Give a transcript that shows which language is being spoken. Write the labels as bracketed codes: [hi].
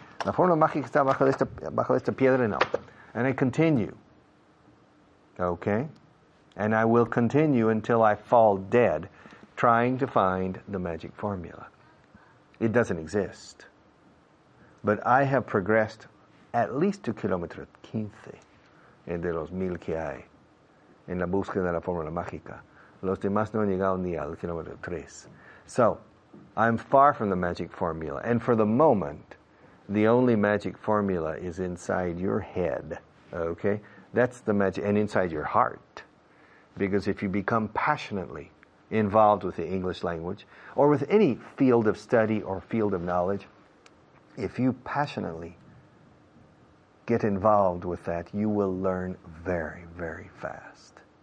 [es] La forma mágica está bajo esta piedra, no. [en] And I continue. Okay? And I will continue until I fall dead, trying to find the magic formula. It doesn't exist. But I have progressed at least to kilometer 15 [es] de los mil que hay en la búsqueda de la fórmula mágica. Los demás no han llegado ni al kilómetro 3. [en] So, I'm far from the magic formula. And for the moment, the only magic formula is inside your head. Okay? That's the magic. And inside your heart. Because if you become passionately involved with the English language, or with any field of study or field of knowledge, if you passionately get involved with that, you will learn very, very fast.